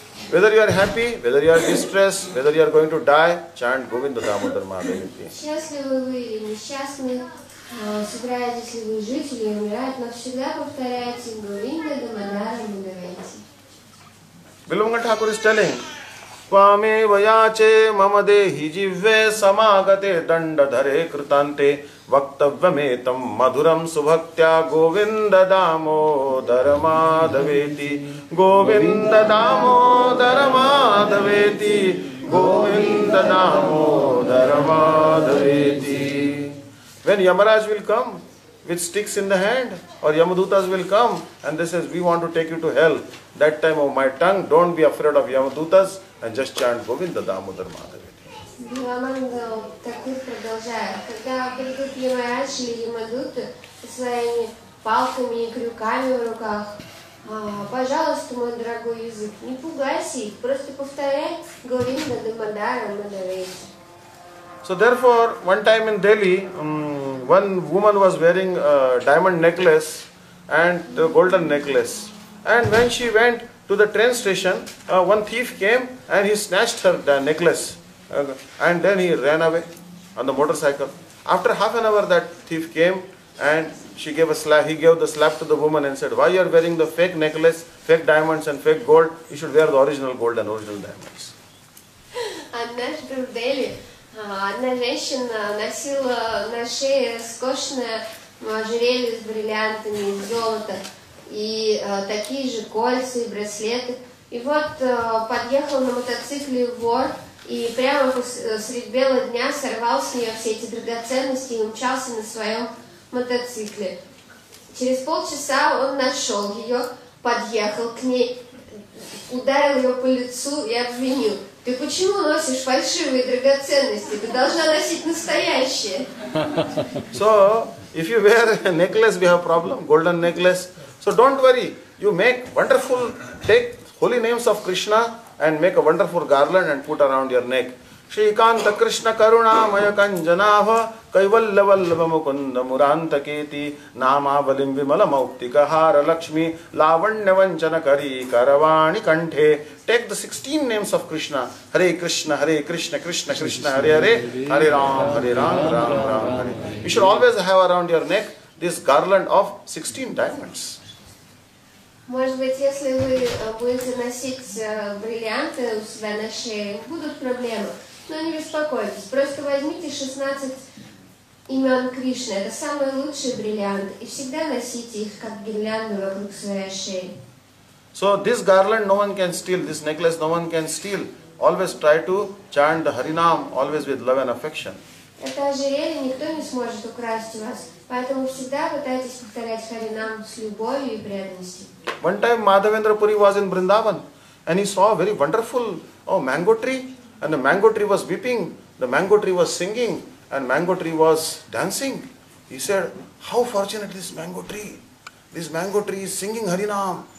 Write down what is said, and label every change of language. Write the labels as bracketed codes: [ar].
[en] Whether you are happy, whether you are distressed, whether you are going to die, chant Govinda Damodara Madhaveti. [ru] Счастливы вы или несчастны, собираетесь ли вы жить или умирать, но всегда повторяйте Говинда Дамодара Мадхавети. [en] Bilwamangal Thakur is telling, [sa] Твами ваяче мама дехи живве самагате данда дхаре кртанте вактавьяметам мадурам субхактя Говинда Дамодара Мадхавети. Говинда Дамодара Мадхавети. Говинда Дамодара Мадхавети. [en] When Yamaraj will come with sticks in the hand, or Yamadutas will come and they says, we want to take you to hell, that time of my tongue, don't be afraid of Yamadutas, and just chant Govinda Damodar Madhava. [ru] Бхагавангал такой продолжает, когда предупреждаемые Ачли и Мадуты со своими палками и крюками в руках, пожалуйста, мой дорогой язык, не пугайся их, просто повторяй Говинда Дамодара Мадавейти. [en] So therefore, one time in Delhi, one woman was wearing a diamond necklace and a golden necklace. And when she went to the train station, one thief came and he snatched her necklace. And then he ran away on the motorcycle. After half an hour, that thief came and she gave a slap. He gave the slap to the woman and said, "Why you're wearing the fake necklace, fake diamonds and fake gold? You should wear the original gold and original diamonds." [ru] Однажды в Дели одна женщина носила на шее роскошное ожерелье с бриллиантами из золота и такие же кольца и браслеты. И вот подъехал на мотоцикле вор. И прямо средь бела дня сорвал с нее все эти драгоценности и умчался на своем мотоцикле. Через полчаса он нашел ее, подъехал к ней, ударил ее по лицу и обвинил. Ты почему носишь фальшивые драгоценности? Ты должна носить настоящие. [en] So, if you wear a necklace, we have problem, golden necklace. So don't worry, you make wonderful, take holy names of Krishna, and make a wonderful garland and put around your neck. [sa] Shri Kanta Krishna Karuna Maya Kanjanava Kaivallavallava Mukunda Muranta Keti Nama Valim Vimala Mauktika Hara Lakshmi Lavanya Vanjana Kari Karavani Kanthe. [en] Take the 16 names of Krishna. Hare Krishna, Hare Krishna, Krishna Krishna, Hare Hare, Hare Ram, Hare Ram, Ram Ram Hare. You should always have around your neck this garland of 16 diamonds. [ru] Может быть, если вы будете носить бриллианты у себя на шее, будут проблемы. Но не беспокойтесь, просто возьмите 16 имен Кришны, это самые лучшие бриллианты, и всегда носите их как гирлянду вокруг своей шеи. [en] So this garland no one can steal, this necklace no one can steal. Always try to chant the Harinam, always with love and affection. [ru] Это ожерелье никто не сможет украсть у вас, поэтому всегда пытайтесь повторять Харинам с любовью и преданностью. [en] One time Madhavendra Puri was in Vrindavan and he saw a very wonderful mango tree, and the mango tree was weeping, the mango tree was singing, and mango tree was dancing. He said, "How fortunate this mango tree. This mango tree is singing Harinam.